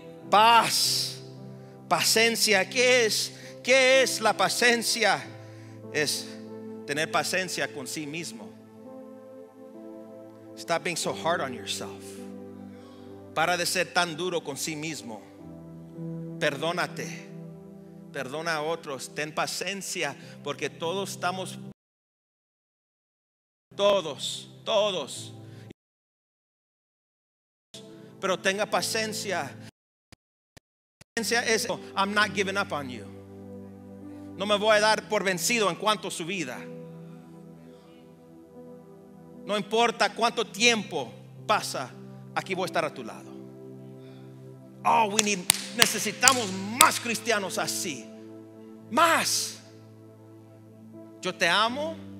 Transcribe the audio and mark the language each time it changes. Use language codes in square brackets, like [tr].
[es] Paz, paciencia. ¿Qué es la paciencia? Es tener paciencia con sí mismo. [en] Stop being so hard on yourself. [es] Para de ser tan duro con sí mismo. Perdónate. Perdona a otros. Ten paciencia, porque todos estamos. Todos. Pero tenga paciencia. Paciencia es, [en] I'm not giving up on you. [es] No me voy a dar por vencido en cuanto a su vida. No importa cuánto tiempo pasa, aquí voy a estar a tu lado. Oh, necesitamos más cristianos así. Más. Yo te amo.